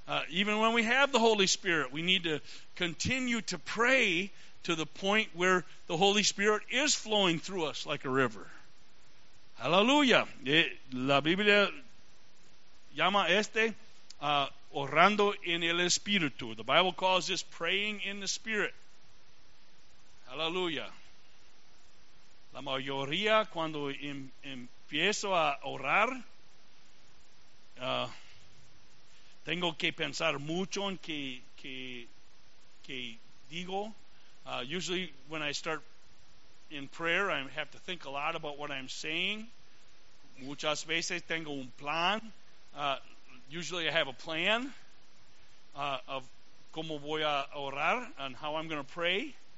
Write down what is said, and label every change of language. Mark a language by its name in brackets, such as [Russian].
[English] Even when we have the Holy Spirit, we need to continue to pray to the point where the Holy Spirit is flowing through us like a river. Hallelujah. [Spanish] La Biblia llama este orando en el Espíritu. [English] The Bible calls this praying in the Spirit. Hallelujah. [Spanish] La mayoría cuando empiezo a orar, tengo que pensar mucho en que digo. [English] Usually when I start in prayer, I have to think a lot about what I'm saying. [Spanish] Muchas veces tengo un plan. [English] Usually I have a plan of [Spanish] cómo voy a orar [English] and how I'm going to pray.